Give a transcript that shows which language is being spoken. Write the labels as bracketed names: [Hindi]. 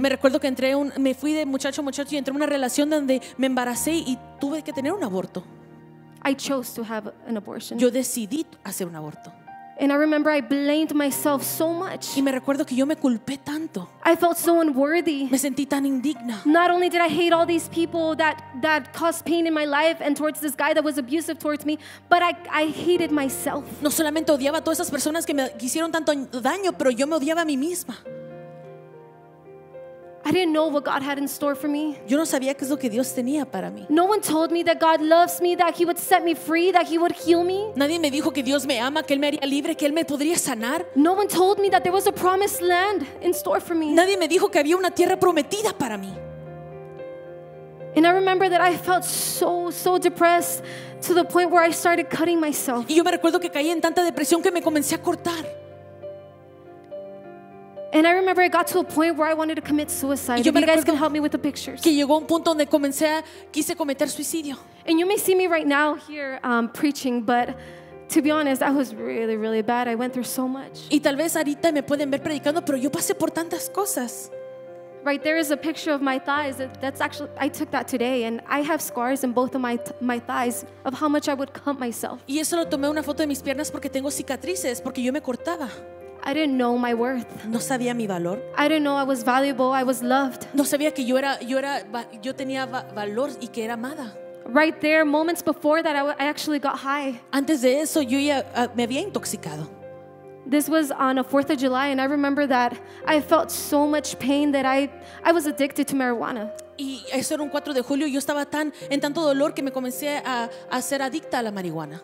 [Spanish] Me recuerdo que me fui de muchacho a muchacho y entré en una relación donde me embaracé y tuve que tener un aborto. [English] I chose to have an abortion. [Spanish] Yo decidí hacer un aborto. [English] And I remember I blamed myself so much. [Spanish] Y me recuerdo que yo me culpé tanto. [English] I felt so unworthy. [Spanish] Me sentí tan indigna. [English] Not only did I hate all these people that caused pain in my life and towards this guy that was abusive towards me, but I hated myself. [Spanish] No solamente odiaba a todas esas personas que me hicieron tanto daño, pero yo me odiaba a mí misma. [English] I didn't know what God had in store for me. [Spanish] Yo no sabía qué es lo que Dios tenía para mí. [English] No one told me that God loves me, that He would set me free, that He would heal me. [Spanish] Nadie me dijo que Dios me ama, que Él me haría libre, que Él me podría sanar. [English] No one told me that there was a promised land in store for me. [Spanish] Nadie me dijo que había una tierra prometida para mí. [English] And I remember that I felt so depressed to the point where I started cutting myself. [Spanish] Y yo me recuerdo que caí en tanta depresión que me comencé a cortar. [English] And I remember it got to a point where I wanted to commit suicide. You guys can help me with the pictures. [Spanish] Que llegó un punto donde comencé a, quise cometer suicidio. [English] And you may see me right now here preaching, but to be honest, I was really, really bad. I went through so much. [Spanish] Y tal vez ahorita me pueden ver predicando, pero yo pasé por tantas cosas. [English] Right there is a picture of my thighs. That's actually, I took that today, and I have scars in both of my thighs of how much I would cut myself. [Spanish] Y eso lo tomé una foto de mis piernas porque tengo cicatrices porque yo me cortaba. [English] I didn't know my worth. [Spanish] No sabía mi valor. [English] I didn't know I was valuable. I was loved. [Spanish] No sabía que yo tenía valor y que era amada. [English] Right there, moments before that, I actually got high. [Spanish] Antes de eso, yo ya me había intoxicado. [English] This was on a 4th of July, and I remember that I felt so much pain that I was addicted to marijuana. [Spanish] Y eso era un 4 de julio. Yo estaba en tanto dolor que me comencé a ser adicta a la marihuana.